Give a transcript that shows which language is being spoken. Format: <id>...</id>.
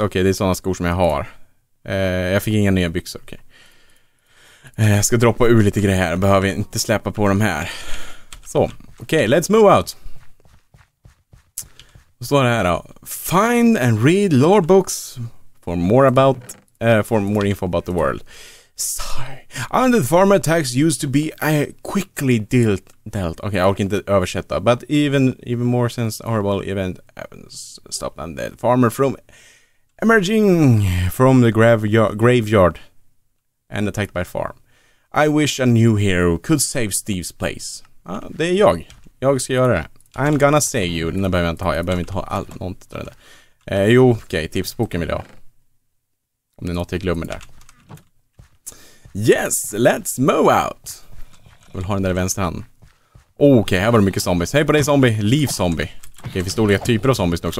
<sv>Okej, det är sådana skor som jag har. Jag fick inga nya byxor, okej. Jag ska droppa ur lite grejer här. Behöver inte släppa på dem här.</sv> <en>Så, okej, okay, let's move out.</en> <sv>Då står det här då.</sv> <en>Find and read lore books for more about... for more info about the world. Sorry. Undead farm attacks used to be quickly dealt.</en> <sv>Okej, okay, jag orkar inte översätta.</sv> <en>But even more since horrible event happens. Stop undead farmer from emerging from the graveyard and attacked by farm. I wish a new hero could save Steve's place.</en> <sv>Det är jag. Jag ska göra det.</sv> <en>I'm gonna save you.</en> <sv>Den behöver jag inte ha. Jag behöver inte ha allt. Någonting där. Jo, okej. Okay, tipsboken vill jag ha. Om det är något jag glömmer där.</sv> <en>Yes, let's move out.</en> <sv>Jag vill ha den där i vänster hand. Okej, okay, här var det mycket zombies. Hej på dig zombie,</sv> <en>leave zombie.</en> <sv>Okej, okay, det finns olika typer av zombies nu också.</sv>